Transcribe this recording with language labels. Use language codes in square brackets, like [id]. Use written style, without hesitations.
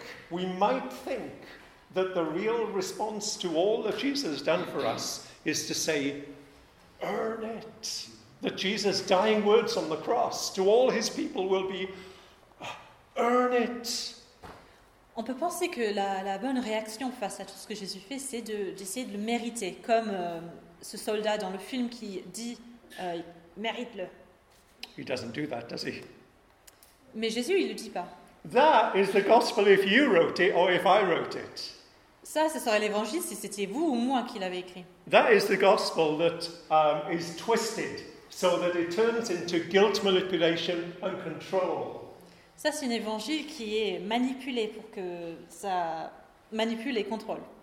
[en] We might think that the real response to all that Jesus has done for us is to say, earn it. That Jesus' dying words on the cross to all his people will be, earn it. [fr] On peut penser que la bonne réaction face à tout ce que Jésus fait, c'est d'essayer de le mériter, comme ce soldat dans le film qui dit mérite-le. [en] He doesn't do that, does he? [fr] Mais Jésus, il le dit pas. [en] That is the gospel if you wrote it or if I wrote it. [fr] Ça, ce serait l'évangile si c'était vous ou moi qui l'avez écrit. [en] That is the gospel that is twisted so that it turns into guilt manipulation and control. [fr] Ça, c'est un évangile qui est manipulé pour que ça manipule et contrôle.